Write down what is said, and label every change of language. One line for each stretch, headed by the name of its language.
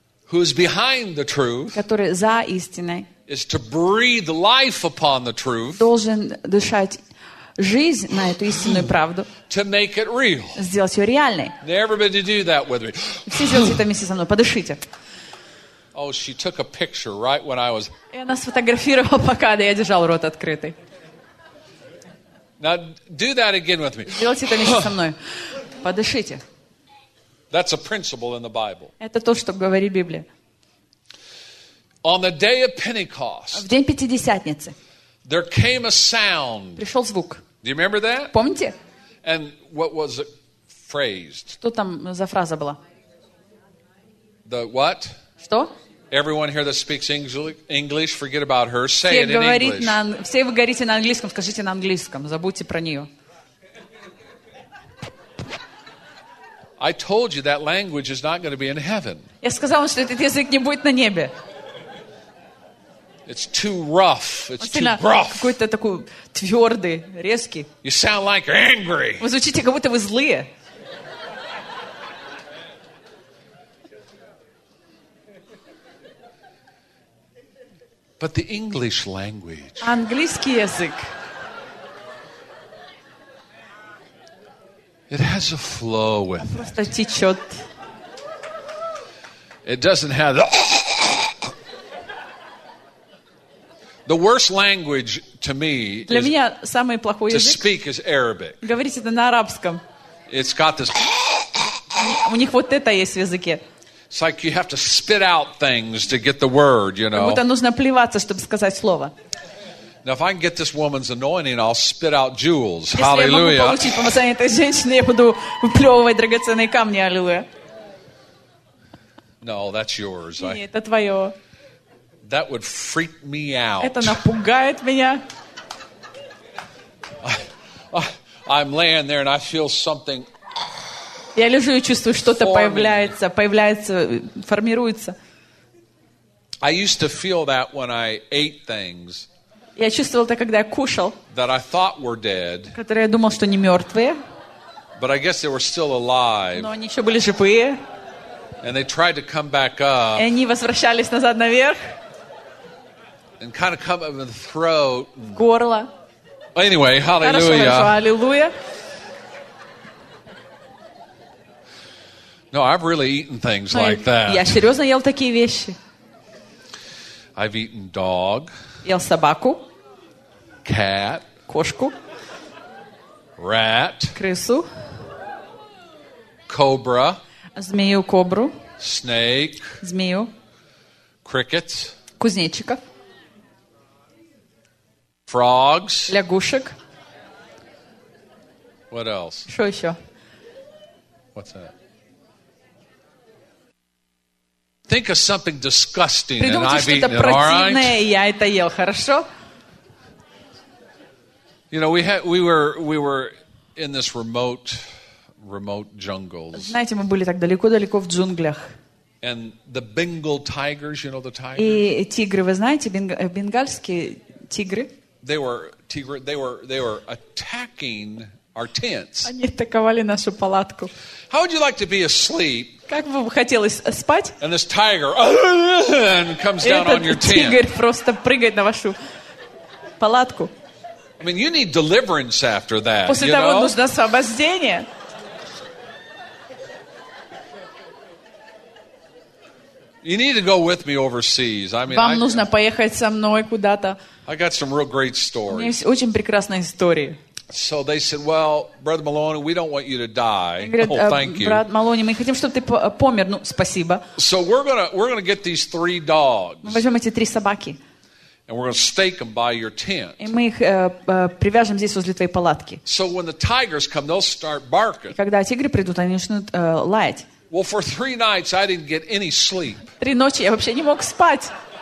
English: who is behind the truth,
Russian: который за истиной,
English: is to breathe life upon the truth,
Russian: должен дышать жизнь на эту истинную правду,
English: to make it real,
Russian: сделать ее реальной.
English: Everybody do that with me.
Russian: Все сделайте это вместе со мной. Подышите.
English: Oh, she took a picture right when I was.
Russian: И она сфотографировала, пока я держал рот открытый.
English: Now do that again with me.
Russian: Сделайте это вместе со мной. Подышите.
English: That's a principle in the Bible.
Russian: Это то, что говорит Библия.
English: On the day of Pentecost.
Russian: В день Пятидесятницы.
English: There came a sound.
Russian: Пришел звук.
English: Do you remember that?
Russian: Помните?
English: And what was it phrased?
Russian: Что там за фраза была?
English: The what?
Russian: Что?
English: Everyone here that speaks English, forget about her. Say it in English.
Russian: Все вы говорите на английском, скажите на английском. Забудьте про нее.
English: I told you that language is not going to be in heaven.
Russian: Я сказал вам, что этот язык не будет на небе.
English: It's too rough. It's too rough.
Russian: Какой-то такой твердый, резкий.
English: You sound like angry.
Russian: Вы звучите, как будто вы злые.
English: But the English language.
Russian: Английский язык.
English: It has a flow with it.
Russian: Просто течет.
English: It doesn't have the. The worst language to me
Russian: для
English: is
Russian: меня самый плохой язык
English: to speak is Arabic.
Russian: Говорить это на арабском.
English: It's got this.
Russian: У них вот это есть в языке.
English: It's like you have to spit out things to get the word, you know.
Russian: Как будто нужно плеваться, чтобы сказать слово.
English: Now, if I can get this woman's anointing, I'll spit out jewels. Hallelujah.
Russian: Если я могу получить помазание этой женщины, я буду выплевывать драгоценные камни. Аллилуйя.
English: No, that's yours.
Russian: Нет, это твое.
English: That would freak me out.
Russian: Это напугает меня.
English: I'm laying there and I feel something.
Russian: Я лежу и чувствую, что-то появляется, появляется, формируется.
English: I used to feel that when I ate things.
Russian: Я чувствовал это, когда я кушал.
English: That I thought were dead.
Russian: Которые я думал, что не мертвые.
English: But I guess they were still alive.
Russian: Но они еще были живые.
English: And they tried to come back up.
Russian: И они возвращались назад наверх.
English: And kind of come up in the throat.
Russian: В горло.
English: Anyway, hallelujah.
Russian: Хорошо, аллилуйя.
English: No, I've really eaten things like that.
Russian: Я серьезно ел такие вещи.
English: I've eaten dog.
Russian: Ел собаку.
English: Cat.
Russian: Кошку.
English: Rat.
Russian: Крысу.
English: Cobra.
Russian: Змею, кобру.
English: Snake.
Russian: Змею.
English: Crickets.
Russian: Кузнечиков.
English: Frogs.
Russian: Лягушек.
English: What else?
Russian: Что еще?
English: What's that? Think of something disgusting and I've eaten it, all right?
Russian: Я это ел, хорошо?
English: You know, we were in this remote jungles.
Russian: Знаете, мы были так далеко-далеко в джунглях.
English: And the Bengal tigers, you know the tigers?
Russian: И тигры, вы знаете, бенгальские тигры?
English: They were attacking our tents.
Russian: Они атаковали нашу палатку.
English: How would you like to be asleep?
Russian: Как бы хотелось спать?
English: And this tiger and comes down on your tent.
Russian: Этот тигр просто прыгает на вашу палатку.
English: I mean, you need deliverance after that.
Russian: После того нужно освобождение.
English: You need to go with me overseas. I mean,
Russian: вам нужно поехать со мной куда-то.
English: I got some real great stories.
Russian: У меня есть очень прекрасная история.
English: So they said, "Well, brother Maloney, we don't want you to die." Oh, thank you.
Russian: Брат Малони, мы хотим, чтобы ты помер. Ну, спасибо.
English: So we're gonna get these three dogs.
Russian: Мы возьмем эти три собаки.
English: And we're gonna stake them by your tent.
Russian: И мы их привяжем здесь возле твоей палатки.
English: So when the tigers come, they'll start barking.
Russian: Когда тигры придут, они начнут лаять.
English: Well, for three nights I didn't get any sleep.
Russian: Три ночи я вообще не мог спать.